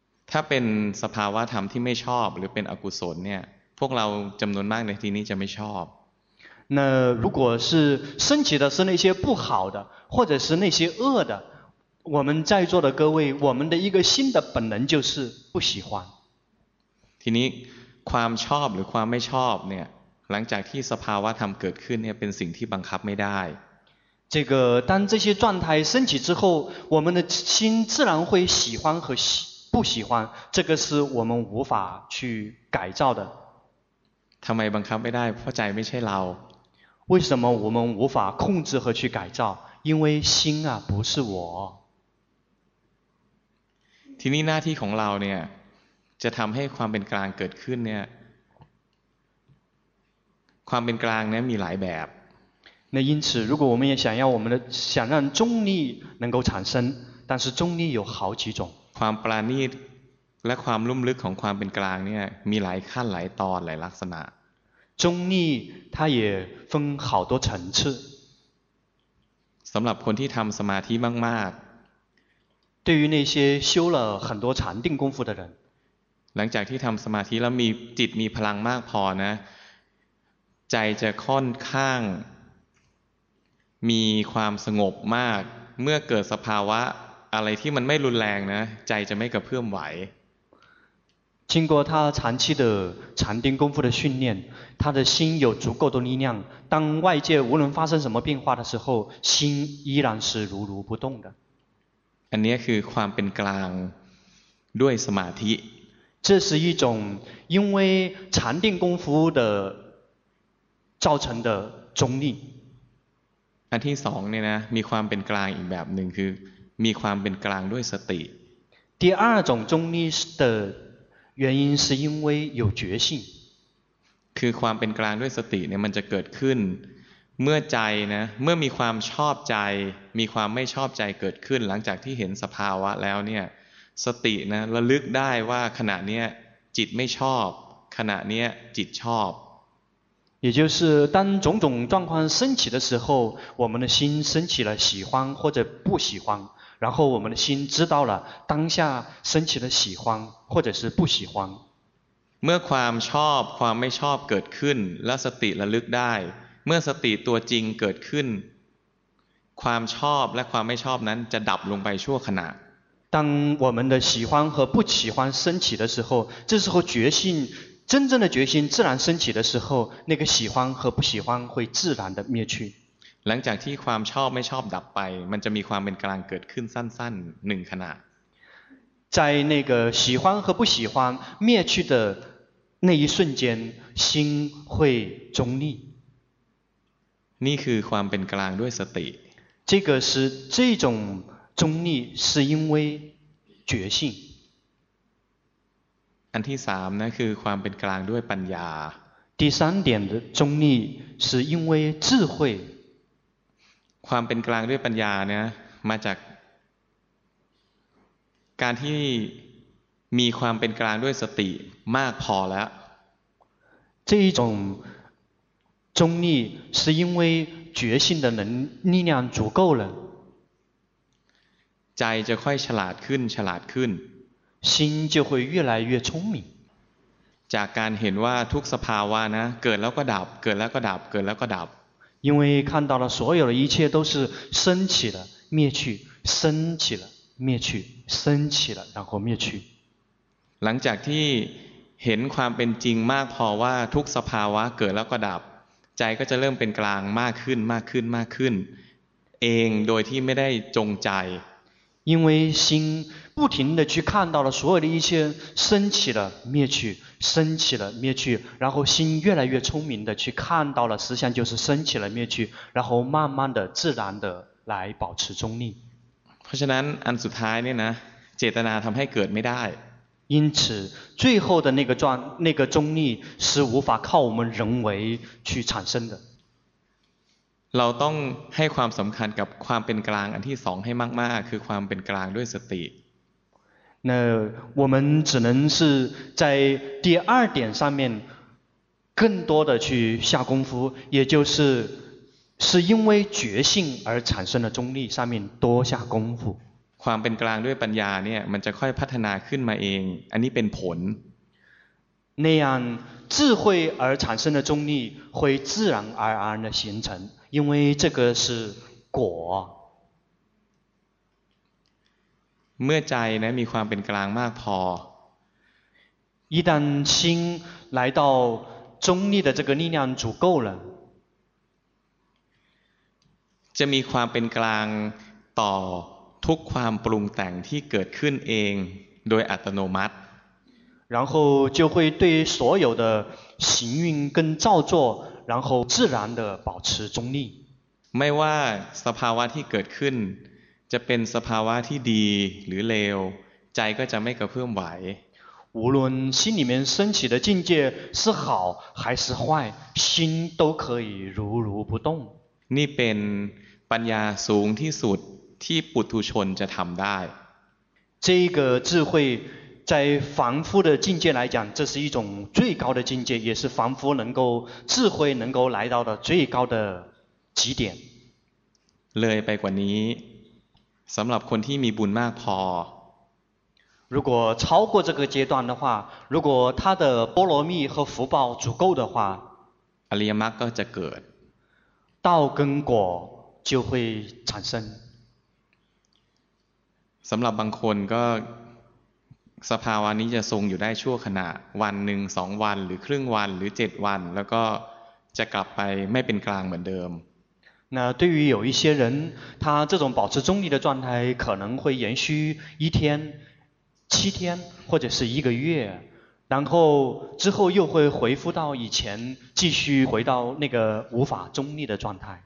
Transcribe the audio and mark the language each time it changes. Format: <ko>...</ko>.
<th>ถ้าเป็นสภาวะธรรมที่ไม่ชอบหรือเป็นอกุศลเนี่ยพวกเราจำนวนมากในที่นี้จะไม่ชอบ</th> <zh>那如果是升起的是那些不好的或者是那些恶的我们在座的各位我们的一个心的本能就是不喜欢</zh> <th>ทีนี้ความชอบหรือความไม่ชอบเนี่ยหลังจากที่สภาวะธรรมเกิดขึ้นเนี่ยเป็นสิ่งที่บังคับไม่ได้</th> <zh>这个当这些状态升起之后我们的心自然会喜欢和不喜欢这个是我们无法去改造的</zh> <th>ทำไมบังคับไม่ได้เพราะใจไม่ใช่เรา</th> <zh>为什么我们无法控制和去改造因为心啊不是我</zh> <th>ทีนี้หน้าที่ของเราเนี่ยจะทำให้ความเป็นกลางเกิดขึ้นเนี่ยความเป็นกลางเนี่ยมีหลายแบบ</th> <zh>那因此如果我们也想要我们的想让中立能够产生但是中立有好几种</zh> <th>ความปราณีตและความลุ่มลึกของความเป็นกลางเนี่ยมีหลายขั้นหลายตอนหลายลักษณะ</th> <zh>中立它也分好多层次</zh> <th>สำหรับคนที่ทำสมาธิมาก</th> <zh>ๆ对于那些修了很多禅定功夫的人</zh> <th>หลังจากที่ทำสมาธิแล้วมีจิตมีพลังมากพอนะใจจะค่อนข้างมีความสงบมากเมื่อเกิดสภาวะอะไรที่มันไม่รุนแรงนะใจจะไม่กระเพื่อมไหว</th> <zh>经过他长期的禅定功夫的训练他的心有足够的力量当外界无论发生什么变化的时候心依然是如如不动的</zh> <th>อันนี้คือความเป็นกลางด้วยสมาธิ</th> <zh>这是一种因为禅定功夫的造成的中立</zh> <th>อันที่สองเนี่ยนะมีความเป็นกลางอีกแบบหนึ่งคือมีความเป็นกลางด้วยสติ</th> <zh>第二种中立的原因是因为有觉性</zh> <th>คือความเป็นกลางด้วยสติเนี่ยมันจะเกิดขึ้นเมื่อใจนะเมื่อมีความชอบใจมีความไม่ชอบใจเกิดขึ้นหลังจากที่เห็นสภาวะแล้วเนี่ยสตินะระลึกได้ว่าขณะเนี้ยจิตไม่ชอบขณะเนี้ยจิตชอบ</th> <zh>也就是当种种状况升起的时候我们的心升起了喜欢或者不喜欢然后我们的心知道了当下升起了喜欢或者是不喜欢</zh> <th>เมื่อความชอบความไม่ชอบเกิดขึ้นและสติระลึกได้ เมื่อสติตัวจริงเกิดขึ้นความชอบและความไม่ชอบนั้นจะดับลงไปชั่วขณะ</th> <zh>当我们的喜欢和不喜欢升起的时候，这时候决心，真正的决心自然升起的时候，那个喜欢和不喜欢会自然的灭去。</zh> <th>หลังจากที่ความชอบไม่ชอบดับไปมันจะมีความเป็นกลางเกิดขึ้นสั้นๆหนึ่งขณะ</th> <zh>在那个喜欢和不喜欢灭去的那一瞬间，心会中立。</zh> <th>นี่คือความเป็นกลางด้วยสติ</th> <zh>这个是这种中立是因为觉性。</zh> <th>อันที่สามนะคือความเป็นกลางด้วยปัญญา</th> <zh>第三点的中立是因为智慧。</zh> <th>ความเป็นกลางด้วยปัญญาเนี่ยมาจากการที่มีความเป็นกลางด้วยสติมากพอแล้ว</th> <zh>这一种中立是因为觉性的能力量足够了</zh> <th>ใจจะค่อยฉลาดขึ้นฉลาดขึ้น</th> <zh>心就会越来越聪明</zh> <th>จากการเห็นว่าทุกสภาวะนะเกิดแล้วก็ดับเกิดแล้วก็ดับเกิดแล้วก็ดับ</th> <zh>因为看到了所有的一切都是升起了灭去升起了灭去升起了然后灭去</zh> <th>หลังจากที่เห็นความเป็นจริงมากพอว่าทุกสภาวะเกิดแล้วก็ดับใจก็จะเริ่มเป็นกลางมากขึ้นมากขึ้นมากขึ้นเองโดยที่ไม่ได้จงใจ</th> <zh>因为心不停地去看到了所有的一切升起了灭去升起了灭去然后心越来越聪明地去看到了实相就是升起了灭去然后慢慢地自然地来保持中立</zh> <th>เพราะฉะนั้นอันสุดท้ายเนี่ยนะเจตนาทำให้เกิดไม่ได้</th> <zh>因此最后的那个状那个中立是无法靠我们人为去产生的</zh> <th>เราต้องให้ความสำคัญกับความเป็นกลางอันที่สองให้มากมากคือความเป็นกลางด้วยสติ</th> <zh>那我们只能是在第二点上面更多的去下功夫也就是是因为觉性而产生的中立上面多下功夫</zh> <th>ความเป็นกลางด้วยปัญญาเนี่ยมันจะค่อยพัฒนาขึ้นมาเองอันนี้เป็นผล</th> <zh>那样智慧而产生的中立会自然而然的形成因为这个是果</zh> <th>เมื่อใจนะมีความเป็นกลางมากพอ</th> <zh>一旦心来到中立的这个力量足够了</zh> <th>จะมีความเป็นกลางต่อทุกความปรุงแต่งที่เกิดขึ้นเองโดยอัตโนมัติ</th> <zh>然后就会对所有的行运跟造作然后自然的保持中立</zh> <th>ไม่ว่าสภาวะที่เกิดขึ้นจะเป็นสภาวะที่ดีหรือเลวใจก็จะไม่กระเพื่อมไหว</th> <zh>无论心里面升起的境界是好还是坏心都可以如如不动</zh> <th>นี่เป็นปัญญาสูงที่สุดที่ปุถุชนจะทำได้</th> <zh>这个智慧在凡夫的境界来讲这是一种最高的境界也是凡夫能够智慧能够来到的最高的极点</zh> <th>เลยไปกว่านี้สำหรับคนที่มีบุญมากพ</th> <zh>อ如果超过这个阶段的话如果他的波罗蜜和福报足够的话</zh> <th>อริยมรรคก็จะเกิด</th> <zh>道跟果就会产生</zh> <th>สำหรับบางคนก็สภาวะนี้จะทรงอยู่ได้ชั่วขณะวันหนึ่งสองวันหรือครึ่งวันหรือเจ็ดวันแล้วก็จะกลับไปไม่เป็นกลางเหมือนเดิม</th> <zh>那对于有一些人他这种保持中立的状态可能会延续一天七天或者是一个月然后之后又会回复到以前继续回到那个无法中立的状态</zh>